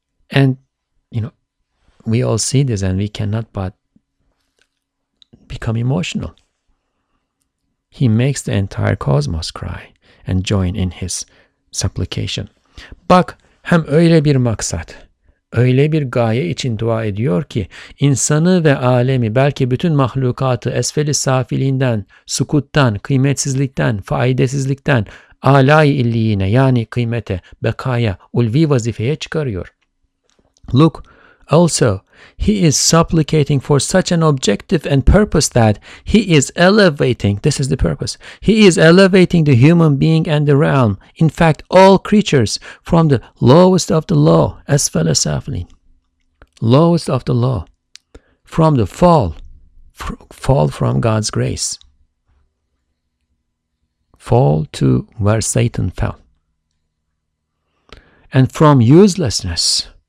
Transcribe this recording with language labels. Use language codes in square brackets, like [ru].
[en] And, you know, we all see this and we cannot but become emotional. He makes the entire cosmos cry and join in his supplication. [tr] Bak hem öyle bir maksat, öyle bir gaye için dua ediyor ki insanı ve alemi, belki bütün mahlukatı esfeli safiliğinden, sukuttan, kıymetsizlikten, faydasızlıktan alâ-i illiğine, yani kıymete, bekaya, ulvi vazifeye çıkarıyor. [en] Look, also, he is supplicating for such an objective and purpose that he is elevating, this is the purpose, he is elevating the human being and the realm, in fact, all creatures from the lowest of the low, [ar] asfala safilin, [en] lowest of the low, from the fall from God's grace, fall to where Satan fell, and from uselessness.